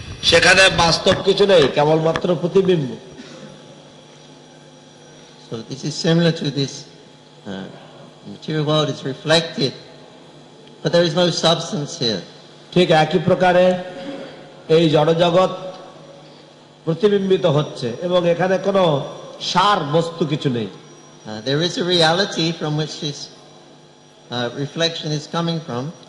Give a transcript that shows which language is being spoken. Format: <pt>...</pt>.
<bn>সেখানে বাস্তব কিছু নেই, কেবলমাত্র প্রতিবিম্ব।</bn> <en>So this is similar to this material world, it's reflected, but there is no substance here.</en> <bn>ঠিক একই প্রকারে এই জড়জগৎ প্রতিবিম্বিত হচ্ছে এবং এখানে কোনো সার বস্তু কিছু নেই।</bn> <en>There is a reality from which this reflection is coming from.</en>